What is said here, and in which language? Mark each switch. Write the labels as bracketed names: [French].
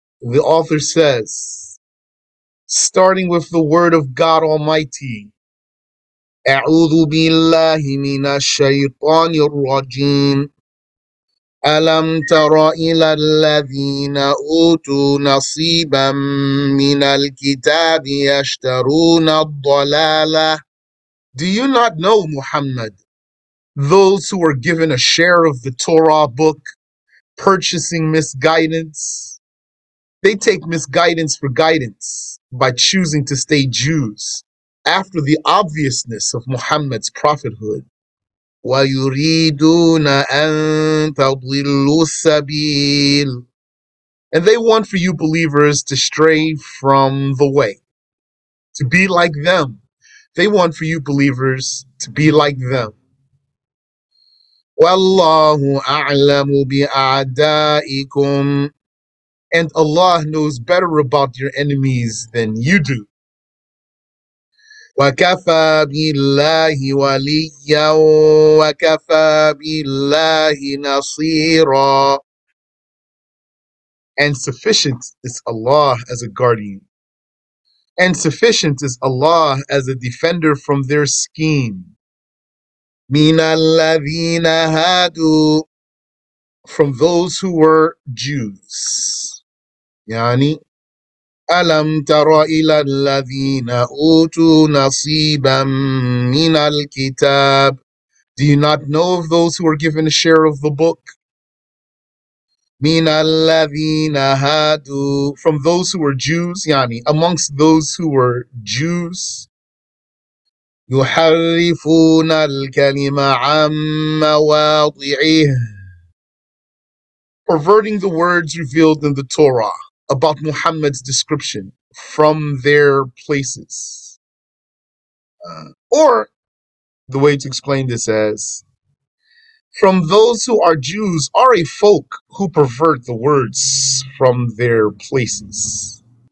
[English] The author says, starting with the word of God Almighty, [Arabic] أعوذ بالله من الشيطان الرجيم ألم تر إلى الذين أوتوا نصيبا من الكتاب يشترون الضلالة. [English] Do you not know, Muhammad, those who are given a share of the Torah book, purchasing misguidance? They take misguidance for guidance by choosing to stay Jews after the obviousness of Muhammad's prophethood. [Arabic] وَيُرِيدُونَ أَن تَضِلُّوا السَّبِيلِ. [English] And they want for you believers to stray from the way, to be like them. They want for you believers to be like them. [Arabic] وَاللَّهُ أَعْلَمُ بِأَعْدَائِكُمْ. [English] And Allah knows better about your enemies than you do. [Arabic] وَكَفَى بِاللَّهِ وَلِيًّا وَكَفَى بِاللَّهِ نَصِيرًا. [English] And sufficient is Allah as a guardian. And sufficient is Allah as a defender from their scheme. [Arabic] مِنَ الَّذِينَ هَادُوا. [English] From those who were Jews. [Arabic] يعني ألم تر إلى الذين أوتوا نصيبا من الكتاب. [English] Do you not know of those who are given a share of the book? [Arabic] من الذين هادوا. [English] From those who were Jews, [Arabic] يعني [English] amongst those who were Jews. [Arabic] يحرفون الكلمة عن مواضعه. [English] Perverting the words revealed in the Torah about Muhammad's description from their places. Or the way to explain this as, from those who are Jews are a folk who pervert the words from their places.